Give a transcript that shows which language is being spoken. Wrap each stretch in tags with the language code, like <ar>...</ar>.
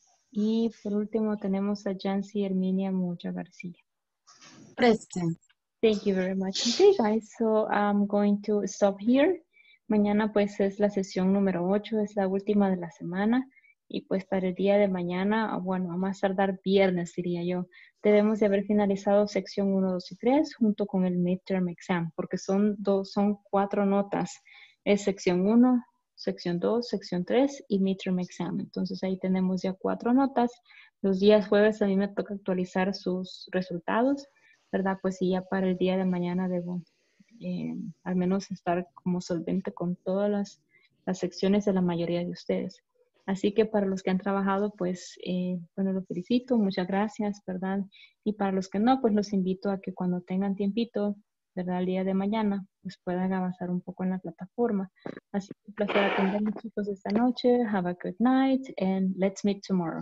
<es>Y por último tenemos a Jancy Herminia Mucha García.</es> <en>Present. Thank you very much. Okay, guys, so I'm going to stop here.</en> <es>Mañana pues es la sesión número 8, es la última de la semana. Y pues para el día de mañana, bueno, a más tardar viernes diría yo, debemos de haber finalizado sección 1, 2 y 3 junto con el midterm exam, porque son dos, son cuatro notas. Es sección 1, sección 2, sección 3 y midterm exam. Entonces ahí tenemos ya cuatro notas. Los días jueves a mí me toca actualizar sus resultados, ¿verdad? Pues sí, ya para el día de mañana debo al menos estar como solvente con todas las secciones de la mayoría de ustedes. Así que para los que han trabajado, pues, bueno, lo felicito. Muchas gracias, ¿verdad? Y para los que no, pues, los invito a que cuando tengan tiempito, ¿verdad? El día de mañana, pues, puedan avanzar un poco en la plataforma. Así que un placer atenderme, chicos, esta noche.</es> <en>Have a good night and let's meet tomorrow.</en>